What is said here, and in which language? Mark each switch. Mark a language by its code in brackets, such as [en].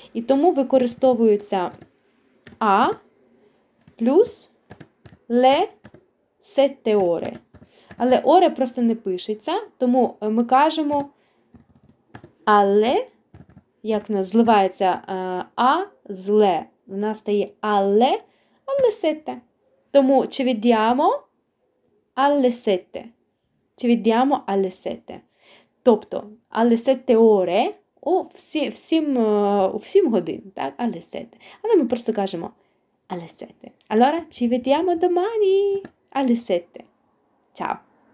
[uk] І тому використовується a плюс [it] le sette ore. [uk] Але ore просто не пишеться, тому ми кажемо alle, як в нас зливається a з le. У нас стає [it] alle sette. Тому ci vediamo alle sette. Ci vediamo alle sette. [uk] Тобто, [it] alle sette ore, [uk] у всім годин, так? [it] Alle sette. [uk] Але ми просто кажемо [it] alle sette. Allora, ci vediamo domani alle sette. Ciao!